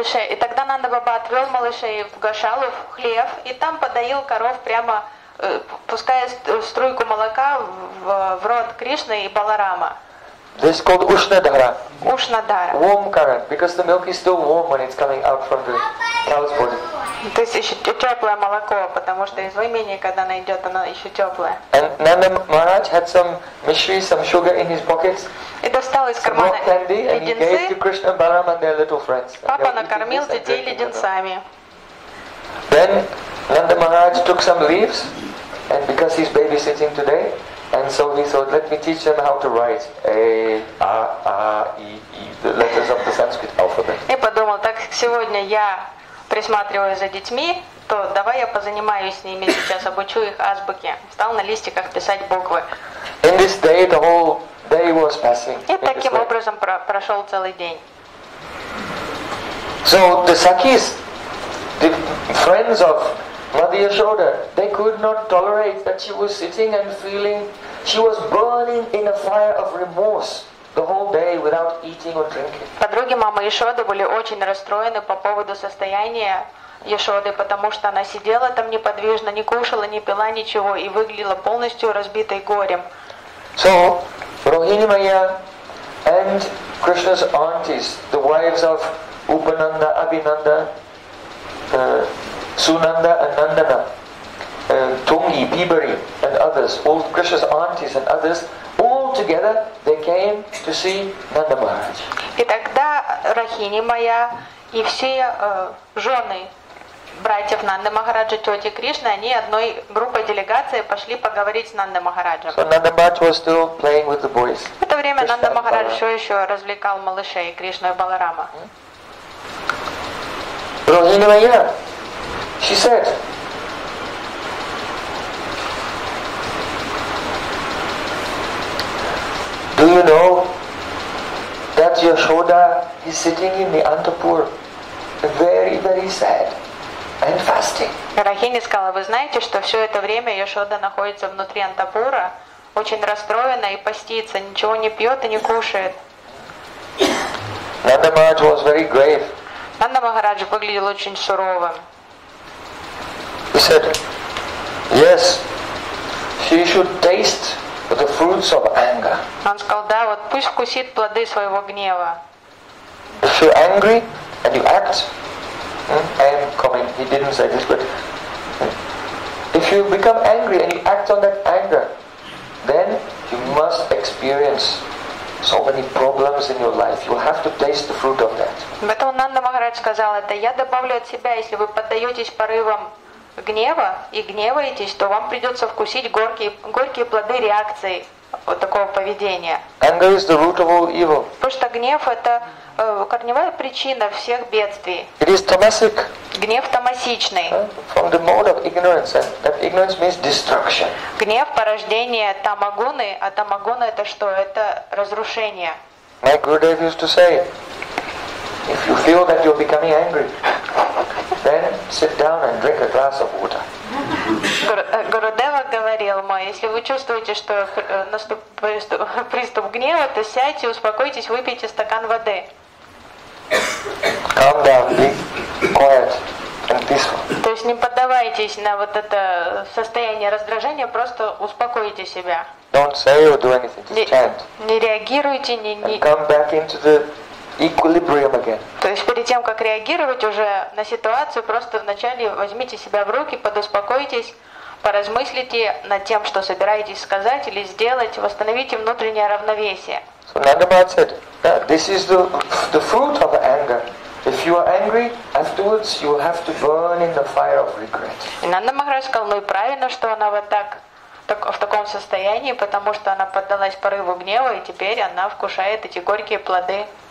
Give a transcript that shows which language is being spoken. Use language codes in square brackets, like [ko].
[ru] И тогда Нанда Баба отвел малышей в Гошалу, в хлев, и там подоил коров прямо, пуская струйку молока в рот Кришны и Баларама. [en] This is called Ushnadhara. Ushnadhara. Warm current, because the milk is still warm when it's coming out from the cow's body. [ru] То есть еще теплое молоко, потому что из имени, когда оно идет, оно еще теплое. [en] And Nanda Maharaj had some mishri, some sugar in his pockets. [ru] И достал из кармана [en] some rock candy, [ru] леденцы. [en] And he gave to Krishna Balaram and their little friends. [ru] Папа накормил детей леденцами. [en] Then Nanda Maharaj took some leaves, and because he's babysitting today, and so he thought, let me teach them how to write A, A, A, E, E, the letters of the Sanskrit alphabet. [ru] И подумал, так сегодня я присматриваю за детьми, то давай я позанимаюсь с ними сейчас, обучу их азбуке. Стал на листиках писать буквы. [en] In this day, the whole day was passing. [ru] И таким образом прошел целый день. [en] So the Sakis, the friends of Mother Yashoda, they could not tolerate that she was sitting and feeling, she was burning in a fire of remorse the whole day without eating or drinking. [ru] Подруги мамы Яшоды были очень расстроены по поводу состояния Яшоды, потому что она сидела там неподвижно, не кушала, не пила ничего и выглядела полностью разбитой горем. [en] So, Rohini Maya and Krishna's aunties, the wives of Upananda, Abhinanda, Sunanda and Nandana, Tungi, Bibari and others, all Krishna's aunties and others, all together they came to see Nanda Maharaj. [ru] И тогда Рахини Майя и все жены братьев Нанды Махараджа, тети Кришны, они одной группой делегации пошли поговорить с Нандой Махараджем. [en] So Nanda Maharaj was still playing with the boys. [ru] В это время Нанда Махарадж все еще развлекал малышей Кришну и Баларама. [en] Рахини Майя, she said, do you know that Yashoda is sitting in the Antapur very, very sad and fasting? [ru] Рахини сказала, вы знаете, что все это время Яшода находится внутри Антапура, очень расстроена и постится, ничего не пьет и не кушает. [en] Nanda Maharaj was very grave. [ru] Нанда Махарадж выглядел очень суровым. [en] He said, yes, she should taste the fruits of anger. [ru] Он сказал, да, вот пусть вкусит плоды своего гнева. [en] If you're angry and you act, I am coming. He didn't say this, but if you become angry and you act on that anger, then you must experience so many problems in your life. You have to taste the fruit of that. [ru] Поэтому Нанда Махарадж сказал это. Я добавлю от себя, если вы поддаетесь порывам гнева и гневаетесь, то вам придется вкусить горькие плоды реакции вот такого поведения. [en] Anger is the root of all evil. [ru] Потому что гнев — это корневая причина всех бедствий. [en] It is tamasic. [ru] Гнев тамасичный. [en] From the mode of ignorance. That ignorance means destruction. [ru] Гнев — порождение тамагуны, а тамагуна — это что? Это разрушение. [en] My Gurudev used to say, if you feel that you're becoming angry, then sit down and drink a glass of water. [ru] Гурудева говорил мой, если вы чувствуете, что наступает приступ гнева, то сядьте, успокойтесь, выпейте стакан воды. [en] Calm down, be quiet and peaceful. [ru] То есть не поддавайтесь на вот это состояние раздражения, просто успокойте себя. [en] Don't say or do anything, just chant. [ru] Не реагируйте, не [en] And come back into the equilibrium again. [ru] То есть перед тем, как реагировать уже на ситуацию, просто вначале возьмите себя в руки, подуспокойтесь, поразмыслите над тем, что собираетесь сказать или сделать, восстановите внутреннее равновесие. [en] So Nanda Maharaj said, this is the fruit of anger. If you are angry, afterwards you will have to burn in the fire of regret. [ru] Нанда Махарадж сказал, ну и правильно, что она вот так в таком состоянии, потому что она поддалась порыву гнева, и теперь она вкушает эти горькие плоды.